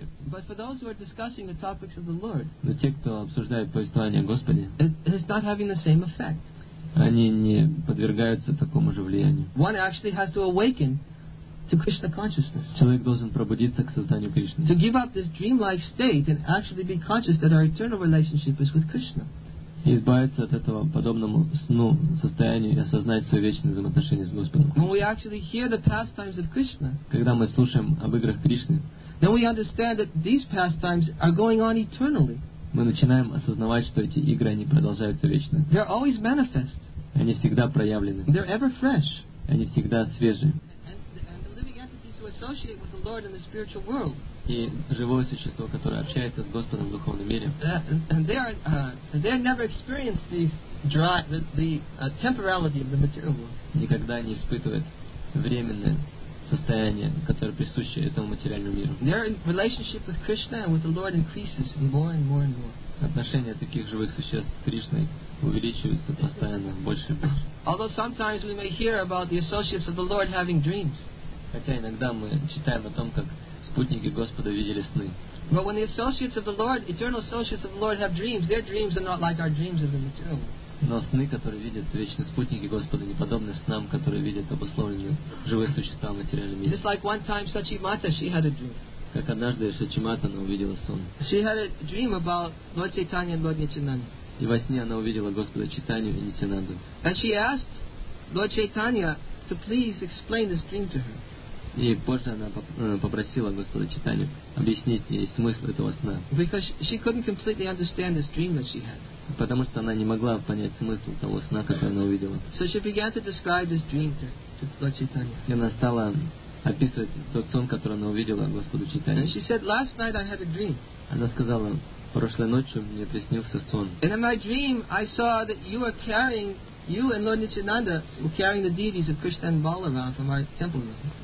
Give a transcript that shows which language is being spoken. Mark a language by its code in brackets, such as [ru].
[en] But for those who are discussing the topics of the Lord, [ru] но те, кто обсуждает повествование Господне, [en] it is not having the same effect. [ru] Они не подвергаются такому же влиянию. [en] One actually has to awaken to Krishna consciousness. [ru] Человек должен пробудиться к сознанию Кришны. [en] To give up this dreamlike state and actually be conscious that our eternal relationship is with Krishna. [ru] И избавиться от этого подобному сну состоянию и осознать свое вечное взаимоотношение с Господом. [en] When we actually hear the pastimes of Krishna, [ru] когда мы слушаем об играх Кришны. [en] Then we understand that these pastimes are going on eternally. [ru] Мы начинаем осознавать, что эти игры они продолжаются вечно. [en] They're always manifest. [ru] Они всегда проявлены. [en] They're ever fresh. [ru] Они всегда свежи. [en] And the living entities who associate with the Lord in the spiritual world. [ru] И живое существо, которое общается с Господом в духовном мире. [en] And they never experience the temporality of the material world. [ru] Никогда не испытывает временное. Состояние, которое присуще этому материальному миру. [en] Their relationship with Krishna and with the Lord increases more and more and more. [ru] Отношения таких живых существ с Кришной увеличиваются постоянно, больше и больше. [en] Although sometimes we may hear about the associates of the Lord having dreams. [ru] Хотя иногда мы читаем о том, как спутники Господа видели сны. [en] But when the associates of the Lord, eternal associates of the Lord have dreams, their dreams are not like our dreams of the material world. [ru] Но сны, которые видят вечные спутники Господа, не подобны снам, которые видят обусловленные живые существа в материальном мире. [en] Just like one time Sachi Mata, she had a dream. [ru] Как однажды Сачи Мата, она увидела сон. [en] She had a dream about Lord Chaitanya and Lord Nityananda. [ru] И во сне она увидела Господа Чайтанью и Нитянанду. [en] And she asked Lord Chaitanya to please explain this dream to her. [ru] И позже она попросила Господа Чайтанью объяснить ей смысл этого сна. [en] Because she couldn't completely understand this dream that she had. [ru] Потому что она не могла понять смысл того сна, который она увидела. [en] So she began to describe this dream to Lord Chaitanya. [ru] И она стала описывать тот сон, который она увидела Господу Чайтанье. [en] And she said, last night I had a dream. [ru] Она сказала, прошлой ночью мне приснился сон. [en] And in my dream I saw that you and Lord Nityananda were carrying the deities of Krishna and Balaram from our temple room.